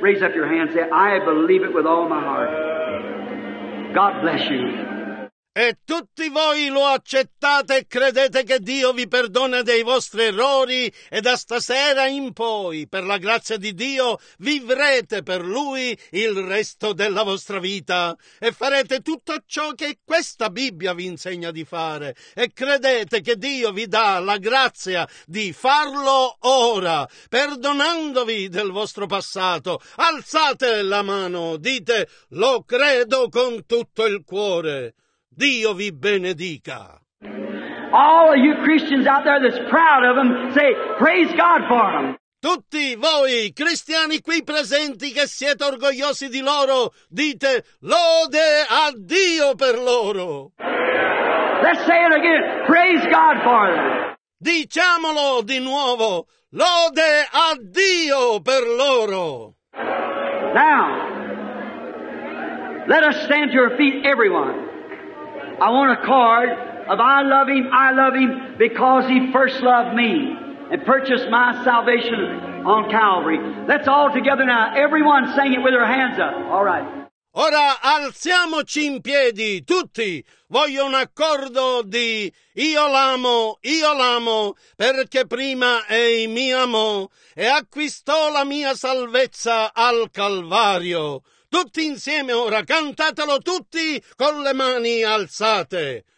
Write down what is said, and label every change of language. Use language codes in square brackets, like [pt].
[en] Raise up your hand and say, I believe it with all my heart. God bless you. [it] E tutti voi lo accettate e credete che Dio vi perdona dei vostri errori e da stasera in poi, per la grazia di Dio, vivrete per Lui il resto della vostra vita e farete tutto ciò che questa Bibbia vi insegna di fare e credete che Dio vi dà la grazia di farlo ora, perdonandovi del vostro passato. Alzate la mano, dite, lo credo con tutto il cuore. Dio vi benedica. [en] All of you Christians out there that's proud of them, say praise God for them. [it] Tutti voi cristiani qui presenti che siete orgogliosi di loro, dite lode a Dio per loro. [en] Let's say it again. Praise God for them. [it] Diciamolo di nuovo. Lode a Dio per loro. [en] Now, let us stand to your feet, everyone. I want a card of I love Him because He first loved me and purchased my salvation on Calvary. That's all together now. Everyone sang it with their hands up. All right. [it] Ora alziamoci in piedi, tutti. Voglio un accordo di io l'amo, perché prima Egli mi amò e acquistò la mia salvezza al Calvario. Tutti insieme ora, cantatelo tutti con le mani alzate.